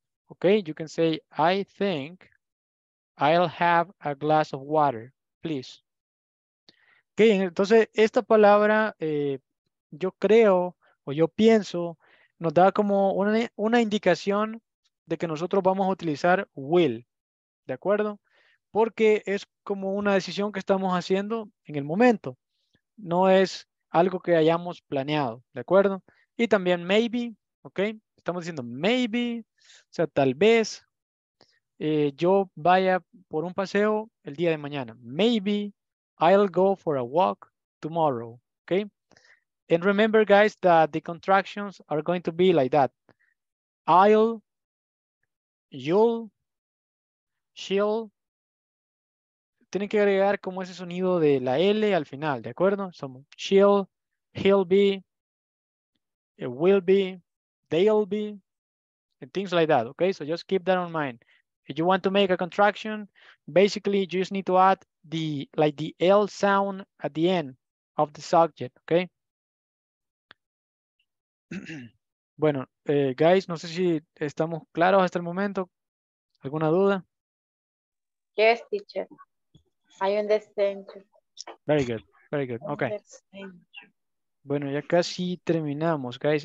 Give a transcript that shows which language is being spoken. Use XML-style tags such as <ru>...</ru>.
<en>Ok, you can say I think I'll have a glass of water, please.</en> <es>Ok, entonces esta palabra yo creo o yo pienso nos da como una indicación de que nosotros vamos a utilizar will, ¿de acuerdo? Porque es como una decisión que estamos haciendo en el momento. No es algo que hayamos planeado, ¿de acuerdo? Y también maybe, ¿ok? Estamos diciendo maybe, o sea, tal vez yo vaya por un paseo el día de mañana.</es> <en>Maybe I'll go for a walk tomorrow, ¿ok? And remember, guys, that the contractions are going to be like that. I'll, you'll, she'll.</en> <es>Tienen que agregar como ese sonido de la L al final, ¿de acuerdo?</es> <en>Son she'll, he'll be, it will be, they'll be, and things like that, okay? So just keep that in mind. If you want to make a contraction, basically, you just need to add the, like, the L sound at the end of the subject, okay?</en> <es>Bueno, guys, no sé si estamos claros hasta el momento. ¿Alguna duda?</es> <en>Yes, teacher. I understand. Very good, very good. Okay.</en> <es>Bueno, ya casi terminamos,</es> <en>guys.</en>